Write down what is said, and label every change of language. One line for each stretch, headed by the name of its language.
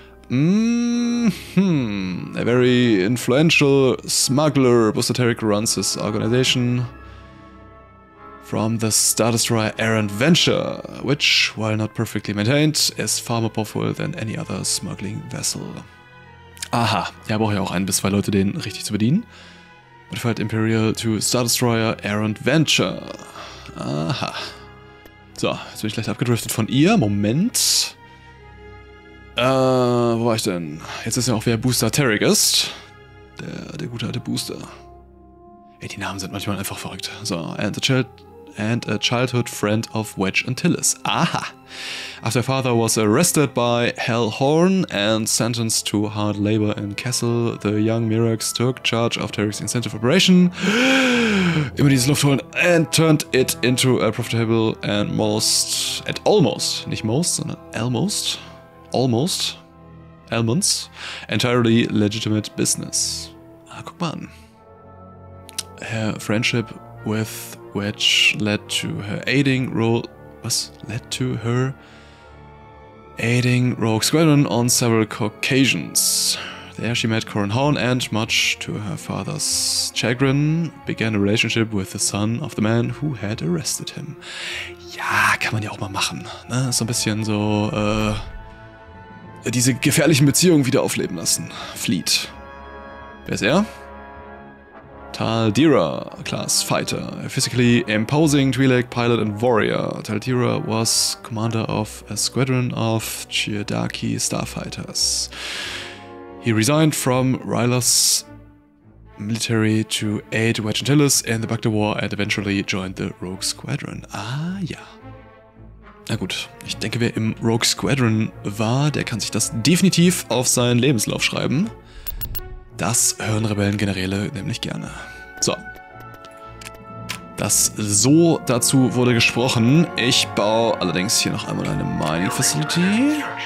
English: A very influential smuggler. Booster Tarik runs his organization from the Star Destroyer Errant Venture, which, while not perfectly maintained, is far more powerful than any other smuggling vessel.
German: Aha, ja, brauche ich auch ein bis zwei Leute, den richtig zu bedienen.
English: Modified Imperial to Star Destroyer Errant Venture.
German: Aha. So, jetzt bin ich leicht abgedriftet von ihr. Moment. Wo war ich denn? Jetzt ist ja auch, wer Booster Tarik ist. Der gute alte Booster. Ey, die Namen sind manchmal einfach verrückt.
English: So, and a childhood friend of Wedge Antilles. Aha. After father was arrested by Hal Horn and sentenced to hard labor in Kessel, the young Mirex took charge of Tarik's incentive operation.
German: Immer dieses Luft holen.
English: And turned it into a profitable and most... And almost.
German: Nicht most, sondern almost.
English: Almost. Almonds. Entirely legitimate business.
German: Ah, guck mal an.
English: Her friendship with Wedge led to her aiding role... Was? Led to her aiding Rogue Squadron on several occasions. There she met Corin Horn and, much to her father's chagrin, began a relationship with the son of the man who had arrested him.
German: Ja, kann man ja auch mal machen. Ne? So ein bisschen so, diese gefährlichen Beziehungen wieder aufleben lassen. Fleet. Wer ist er? Tal'Dira,
English: Class Fighter. A physically imposing Twi'lek pilot and warrior. Tal'Dira was commander of a squadron of Chiodaki starfighters. He resigned from Rylos military to aid Wedge Antilles in the Bacta War and eventually joined the Rogue Squadron.
German: Ah, ja. Na gut, ich denke, wer im Rogue Squadron war, der kann sich das definitiv auf seinen Lebenslauf schreiben. Das hören Rebellengeneräle nämlich gerne. So. Das so dazu wurde gesprochen. Ich baue allerdings hier noch einmal eine Mining Facility.